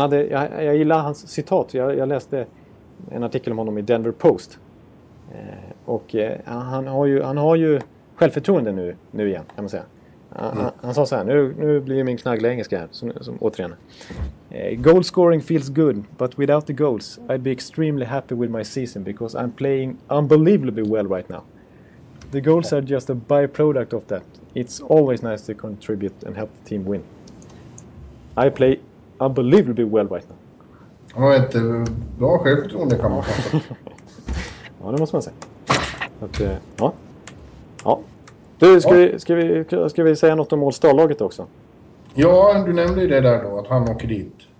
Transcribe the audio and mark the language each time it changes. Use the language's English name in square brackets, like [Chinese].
[Swedish] Jag gillar hans citat. Jag läste en artikel om honom i Denver Post. Han har ju självförtroende nu igen, kan man säga. Han sa så här: nu blir min knaggla engelska här, som återigen. [English] Goal scoring feels good, but without the goals I'd be extremely happy with my season because I'm playing unbelievably well right now. The goals are just a byproduct of that. It's always nice to contribute and help the team win. I play unbelievably well right now. [Swedish] Han har ett bra självförtroende, kan man säga. Ja, det måste man säga. Ja. Du, ska vi säga något om All-Star-laget också? Ja, du nämnde ju det där då, att han åker dit.